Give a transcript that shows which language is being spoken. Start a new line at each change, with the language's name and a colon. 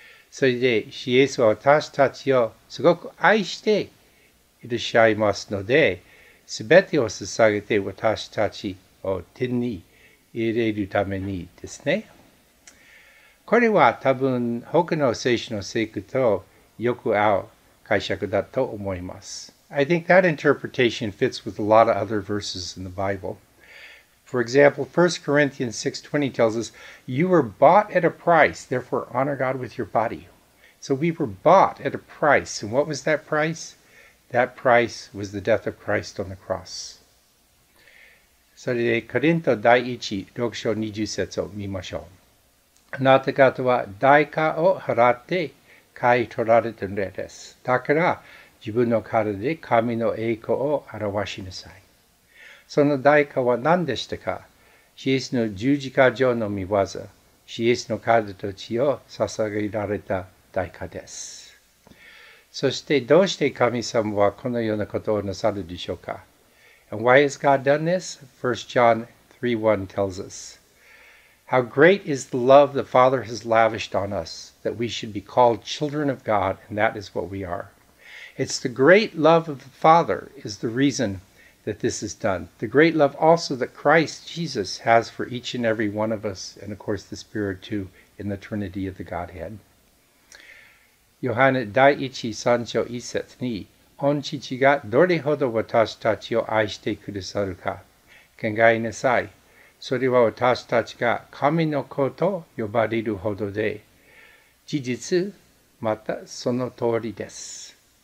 Japanese: それで、イエスは私たちをすごく愛していらっしゃいますので、すべてを捧げて私たちを天に入れるためにですね。これは多分、他の聖書の聖句とよく合う解釈だと思います。
English: I think that interpretation fits with a lot of other verses in the Bible. For example, 1 Corinthians 6:20 tells us, you were bought at a price, therefore honor God with your body. So we were bought at a price. And what was that price? That price was the death of Christ on the cross.
Japanese: それでコリント第一六章二十節を見ましょう。あなた方は代価を払って買い取られたのです。だから自分の体で神の栄光を表しなさい。その代価は何でしたか？イエスの十字架上の御業、イエスの体と血を捧げられた代価です。そしてどうして神様はこのようなことをなさるでしょうか？
English: And why has God done this? 1 John 3:1 tells us, How great is the love the Father has lavished on us, that we should be called children of God, and that is what we are. It's the great love of the Father is the reason that this is done. The great love also that Christ Jesus has for each and every one of us, and of course the Spirit too, in the Trinity of the Godhead.
Japanese: Johanna 第一三章一節に、御父がどれほど私たちを愛してくださるか、考えなさい。それは私たちが神の子と呼ばれるほどで、事実、またその通りです。